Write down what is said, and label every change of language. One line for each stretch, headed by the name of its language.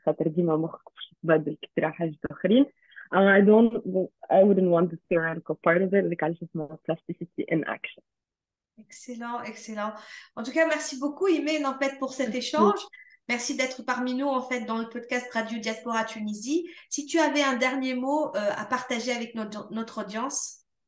French: À la fin, dis ma moch, je suis pas de quitter la page d'autres.
English: I wouldn't want the theoretical part of it. Like I just want plasticity in action. Excellent, excellent.
French: En tout cas, merci beaucoup, Imé, en fait, pour cet Merci. échange. Merci d'être parmi nous, en fait, dans le podcast Radio Diaspora Tunisie. Si tu avais un dernier mot à partager avec notre audience.